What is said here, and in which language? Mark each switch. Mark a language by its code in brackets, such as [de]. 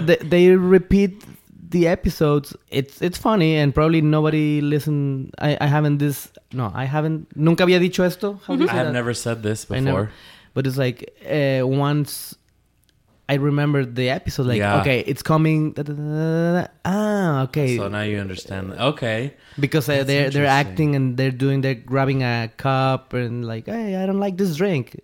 [en] they repeat the episodes. It's funny and probably nobody listened. [es] I haven't nunca había dicho esto. [en] I have never said this before, but it's like once I remember the episode, like okay, it's coming. Okay. So now you understand. Okay. Because they're acting and they're doing, they're grabbing a cup and like, hey, I don't like this drink.